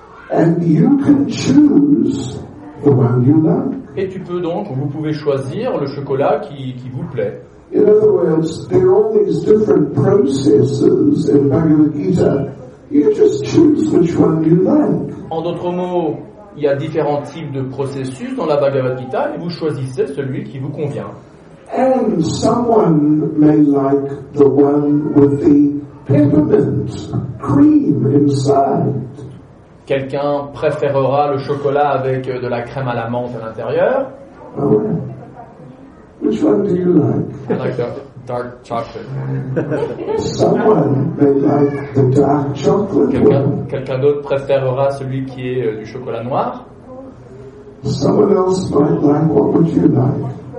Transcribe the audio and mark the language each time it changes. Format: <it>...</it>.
<en>And you can choose the one you like.</en> <fr>Et tu peux donc, vous pouvez choisir le chocolat qui vous plaît.</fr> <en>In other words, there are all these different processes in Bhagavad Gita. You just choose which one you like.</en> <fr>En d'autres mots, il y a différents types de processus dans la Bhagavad Gita et vous choisissez celui qui vous convient.</fr> <en>And someone may like the one with the peppermint cream inside.</en> <fr>Quelqu'un préférera le chocolat avec de la crème à la menthe à l'intérieur.</fr> <en>Oh, which one do you like? I like the dark chocolate. Someone may like the dark chocolate.</en> <fr>Quelqu'un d'autre préférera celui qui est du chocolat noir.</fr> <en>Someone else might like, what would you like?</en>